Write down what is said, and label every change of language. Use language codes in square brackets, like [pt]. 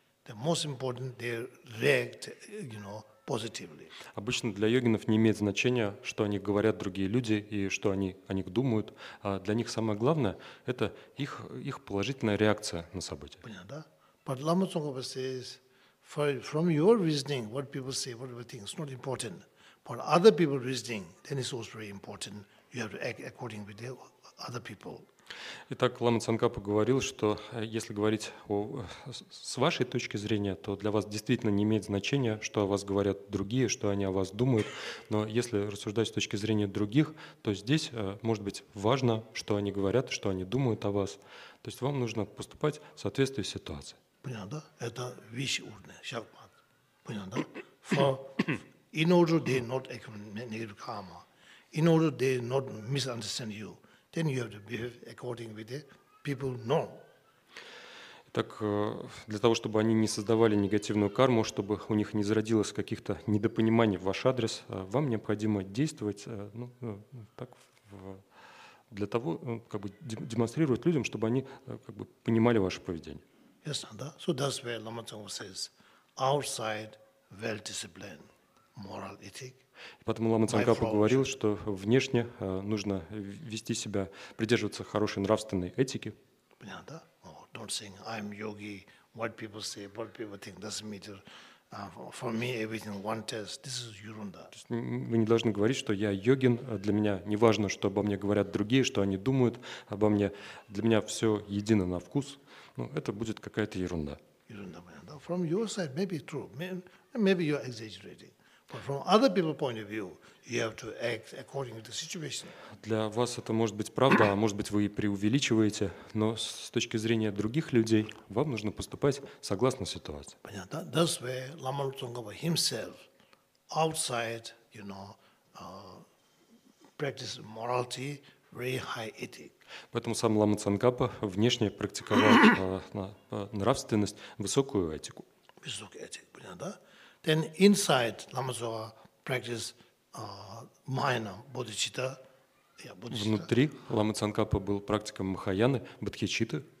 [en] The most important they react, you know, positively. [ru] Обычно для йогинов не имеет значения, что о них говорят другие люди и что они о них думают. А для них самое главное это их положительная реакция на события. Понятно, да? [en] But Lama Tsongkhapa says, from your reasoning, what people say, what people think, it's not important. But other people's reasoning, then it's also very important. You have to act according with the other people. [ru] Итак, Лама Цангапа говорил, что если говорить о, с вашей точки зрения, то для вас действительно не имеет значения, что о вас говорят другие, что они о вас думают. Но если рассуждать с точки зрения других, то здесь может быть важно, что они говорят, что они думают о вас. То есть вам нужно поступать в соответствии с ситуацией. Понятно, да? Это вещи урны, шахмат. Понятно, да? [en] For, in order they not accept negative karma, in order they not misunderstand you, then you have to behave according with the people know. [ru] Так для того, чтобы они не создавали негативную карму, чтобы у них не зародилось каких-то недопониманий в ваш адрес, вам необходимо действовать, ну, так, для того, как бы демонстрировать людям, чтобы они как бы понимали ваше поведение. [en] Yes, [ru] да. [en] So that's where Lama Tsongkhapa says, outside well disciplined, moral ethic. [ru] Поэтому Лама Цангапа говорил, что внешне нужно вести себя, придерживаться хорошей нравственной этики. Понятно, да? [en] Oh, don't think I'm yogi, what people say, what people think, doesn't matter. For me, everything one test. This is [ru] ерунда. То есть вы не должны говорить, что я йогин, для меня не важно, что обо мне говорят другие, что они думают обо мне, для меня все едино на вкус. Ну, это будет какая-то ерунда. Ерунда, понятно. [en] From your side, maybe true, maybe you're exaggerating. But from other people's point of view, you have to act according to the situation. [ru] Для вас это может быть правда, а может быть вы и преувеличиваете, но с точки зрения других людей вам нужно поступать согласно ситуации. Понятно. [en] That's where Lama Tsongkhapa himself, outside, you know, practice morality, very high ethic. [ru] Поэтому сам Лама Цангапа внешне практиковал нравственность, высокую этику. Высокую этику, понятно, да? [en] Then inside Lama Tsongkhapa practice Mahayana bodhicitta. [ru] Внутри Лама Цангапа был практиком Махаяны, бодхичитты.